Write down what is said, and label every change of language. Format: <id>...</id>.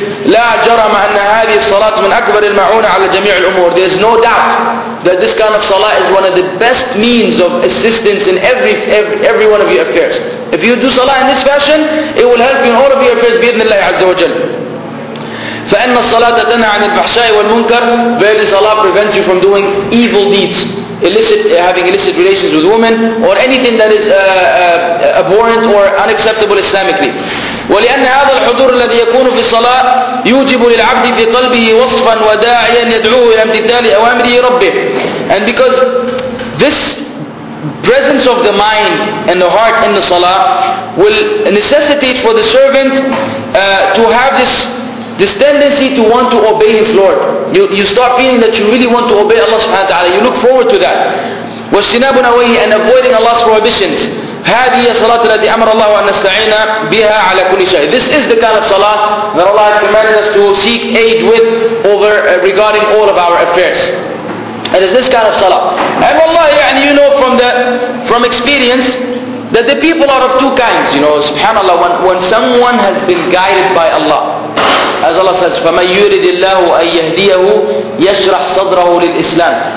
<ar>لَا جَرَمَ أَنَّ هَذِي الصَّلَاةُ مِنْ أَكْبَرِ الْمَعُونَ عَلَى جَمِيعِ الْأُمُورِ.</ar> <en>There is no doubt that this kind of salah is one of the best means of assistance in every one of your affairs. If you do salah in this fashion, it will help you in all of your affairs</en> <ar>بِإِذْنِ اللَّهِ عَزَّ وَجَلْ. فإن الصلاة تنهى عن الفحشاء والمنكر.</ar> <en>Verily, salah prevents you from doing evil deeds, having illicit relations with women, or anything that is abhorrent or unacceptable Islamically.</en> <ar>ولأن هذا الحضور الذي يكون في الصلاة يوجب للعبد في قلبه وصفا وداعيا يدعوه إلى امتثال أوامره ربه.</ar> <en>And because this presence of the mind and the heart in the salah will necessitate for the servant to have this tendency to want to obey his Lord. You start feeling that you really want to obey Allah subhanahu wa ta'ala. You look forward to that.</en> <ar>واجتناب نواهي,</ar> <en>and avoiding Allah's prohibitions.</en> <ar>هذه هي الصلاة التي أمر الله أن نستعين بها على كل شيء.</ar> <en>This is the kind of salah that Allah has commanded us to seek aid with over regarding all of our affairs. It is this kind of salah. And Allah, يعني, you know from experience that the people are of two kinds. You know, subhanAllah, when someone has been guided by Allah, as Allah says,</en> <ar>فَمَنْ يُرِدِ اللَّهُ أَنْ يَهْدِيَهُ يَشْرَحْ صَدْرَهُ لِلْإِسْلَامِ.</ar>